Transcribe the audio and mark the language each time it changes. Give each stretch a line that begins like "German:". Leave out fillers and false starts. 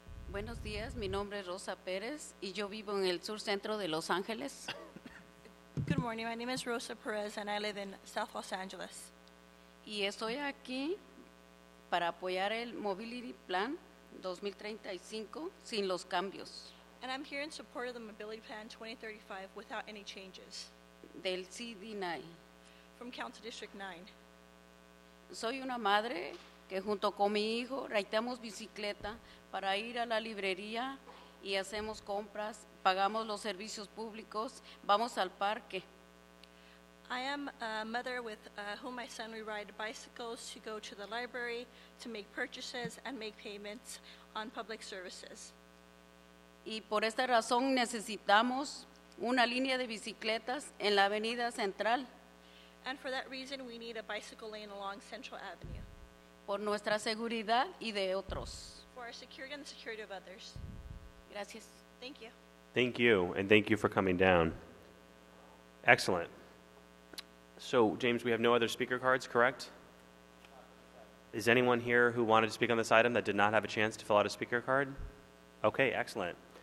Spanish: Buenos días, mi nombre es Rosa Perez, y yo vivo en el sur centro de Los Ángeles.
English: Good morning, my name is Rosa Perez, and I live in South Los Angeles.
Spanish: Y estoy aquí para apoyar el Mobility Plan 2035 sin los cambios.
English: And I'm here in support of the Mobility Plan 2035 without any changes.
Spanish: Del CD9.
English: From Council District 9.
Spanish: Soy una madre que junto con mi hijo rentamos bicicleta para ir a la librería y hacemos compras, pagamos los servicios públicos, vamos al parque.
English: I am a mother with whom my son, we ride bicycles to go to the library to make purchases and make payments on public services.
Spanish: Y por esta razón necesitamos una línea de bicicletas en la avenida central.
English: And for that reason, we need a bicycle lane along Central Avenue.
Spanish: Por nuestra seguridad y de otros.
English: For our security and the security of others.
Spanish: Gracias.
English: Thank you. Thank you, and thank you for coming down. Excellent. So, James, we have no other speaker cards, correct? Is anyone here who wanted to speak on this item that did not have a chance to fill out a speaker card? Okay, excellent.